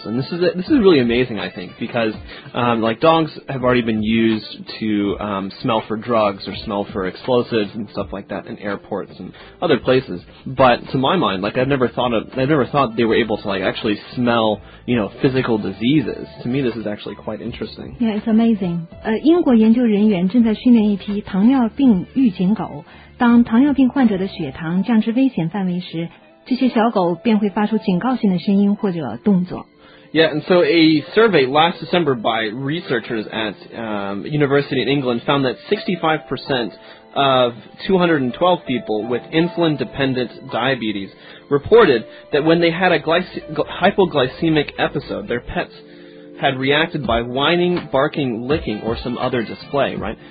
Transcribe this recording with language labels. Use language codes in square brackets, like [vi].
[en] And this is really amazing, I think, because like dogs have already been used to smell for drugs or smell for explosives and stuff like that in airports and other places. But to my mind, like I've never thought they were able to like actually smell, you know, physical diseases. To me, this is actually quite interesting. Yeah, it's amazing. [zh] 英国研究人员正在训练一批糖尿病预警狗。当糖尿病患者的血糖降至危险范围时，这些小狗便会发出警告性的声音或者动作。 [en] Yeah, and so a survey last December by researchers at University in England found that 65% of 212 people with insulin-dependent diabetes reported that when they had a hypoglycemic episode, their pets had reacted by whining, barking, licking, or some other display, right?